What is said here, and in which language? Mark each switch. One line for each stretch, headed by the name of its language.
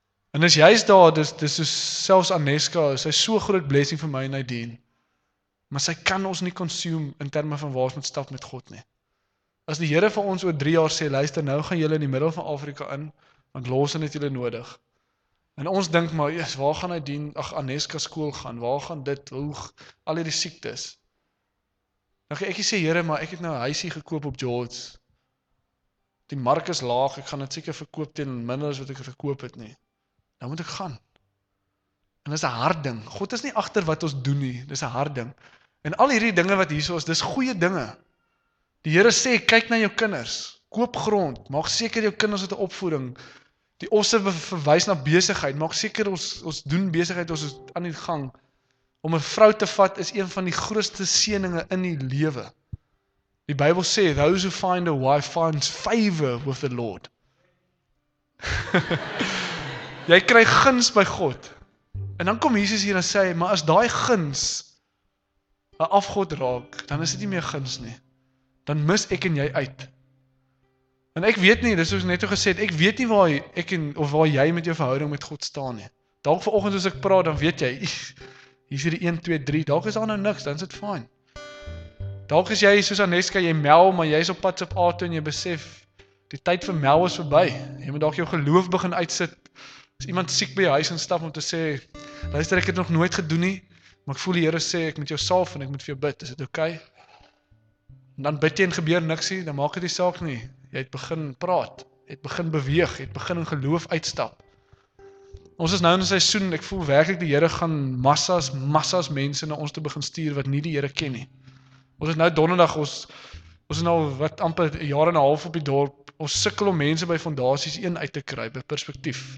Afrikaans: En as jy's daar, dis soos selfs Aneska, sy so groot blessing vir my en hy dien. Maar sy kan ons nie consume in terme van waar ons moet stap met God nie. As die Here vir ons oor 3 jaar sê, luister, nou gaan julle in die middel van Afrika in, want losse het julle nodig. En ons dink maar, Jesus, waar gaan hy dien? Ag, Aneska skool gaan, waar gaan dit? Hoe al hierdie siektes? Nou ek sê Here, maar ek het nou 'n huisie gekoop op George. Die mark is laag, ek gaan dit seker verkoop teen minder as wat ek gekoop het nie. Nou moet ek gaan. En dis 'n hard ding. God is nie agter wat ons doen nie. Dis 'n hard ding. En al hierdie dinge wat hier is, dis goeie dinge. Die Here sê, kyk na jou kinders. Koop grond. Maak seker jou kinders het 'n opvoeding. Die osse verwys na besigheid. Maak seker ons doen besigheid, ons is aan die gang. Om 'n vrou te vat is een van die grootste seëninge in die lewe. Die Bybel sê,
English: those who find a wife finds favor with the Lord.
Afrikaans: Jy kry guns by God. En dan kom Jesus hier en sê, maar as daai guns 'n afgod raak, dan is dit nie meer guns nie. Dan mis ek en jy uit. En ek weet nie, dis soos net hoe gesê het, ek weet nie waar ek en of waar jy met jou verhouding met God staan nie. Dalk vanoggend as ek praat, dan weet jy, hier is hierdie 1, 2, 3, dalk is daar nou niks, dan is dit fine. Dalk is jy soos Aneska, jy mel, maar jy is op pad op A toe en jy besef, die tyd vir mel is verby. Jy moet dalk jou geloof begin uitsit. As iemand siek by jou huis instap om te sê, luister, ek het nog nooit gedoen nie, maar ek voel die Here sê, ek moet jou salf en ek moet vir jou bid, is dit okay? En dan bid jy en gebeur niks nie, dan maak dit die saak nie. Jy het begin praat, het begin beweeg, het begin in geloof uitstap. Ons is nou in 'n seisoen, ek voel werklik die Here gaan massas mense na ons te begin stuur wat nie die Here ken nie. Ons is nou donderdag, ons is nou wat amper 'n jaar en 'n half op die dorp, ons sukkel om mense by fondasies een uit te kry, by perspektief.